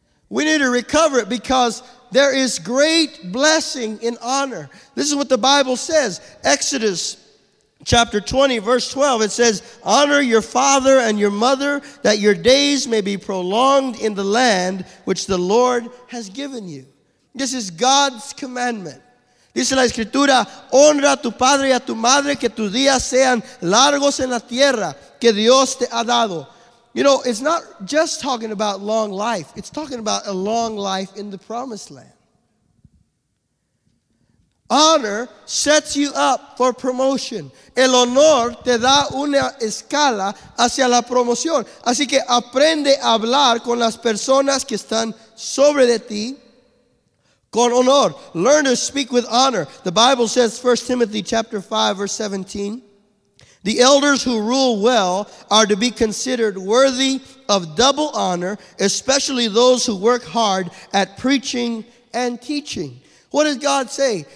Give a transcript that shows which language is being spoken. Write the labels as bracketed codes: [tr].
[en] We need to recover it because there is great blessing in honor. This is what the Bible says. Exodus chapter 20, verse 12, it says, honor your father and your mother that your days may be prolonged in the land which the Lord has given you. This is God's commandment. [es] Dice la Escritura, honra a tu padre y a tu madre que tus días sean largos en la tierra que Dios te ha dado. [en] You know, it's not just talking about long life. It's talking about a long life in the promised land. Honor sets you up for promotion. [es] El honor te da una escala hacia la promoción. Así que aprende a hablar con las personas que están sobre de ti. Con honor. [en] Learn to speak with honor. The Bible says, 1 Timothy chapter 5, verse 17, the elders who rule well are to be considered worthy of double honor, especially those who work hard at preaching and teaching. What does God say?